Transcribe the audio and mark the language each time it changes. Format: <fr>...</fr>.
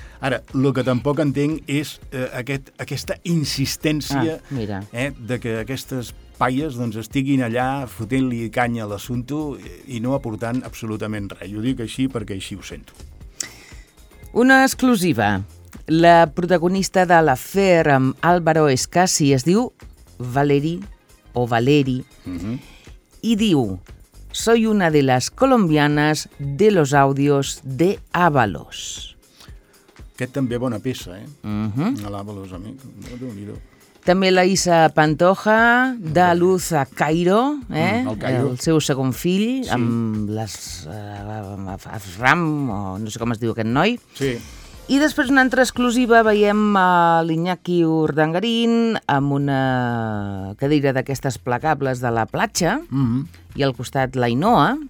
<ca>Ara, el que tampoc entenc és aquesta insistència de que aquestes paies doncs, estiguin allà fotent-li canya a l'assumpte i no aportant absolutament res. Jo dic així perquè així ho sento. Una exclusiva. La protagonista de l'afer amb Álvaro Escassi es diu Valeri, o Valeri, i diu...</ca> <es>Soy una de las colombianas de los audios de Ábalos.</es> <ca>Aquest també bona peça, eh? Uh-huh. Ábalos, amic. Déu-n'hi-do. També la Isa Pantoja, de Luz a Cairo, el seu segon fill, sí. Amb les Ram, o no sé com es diu aquest noi. Sí. I després una altra exclusiva, veiem l'Iñaki Urdangarín amb una cadira d'aquestes plegables de la platja, i al costat l'Ainhoa.</ca>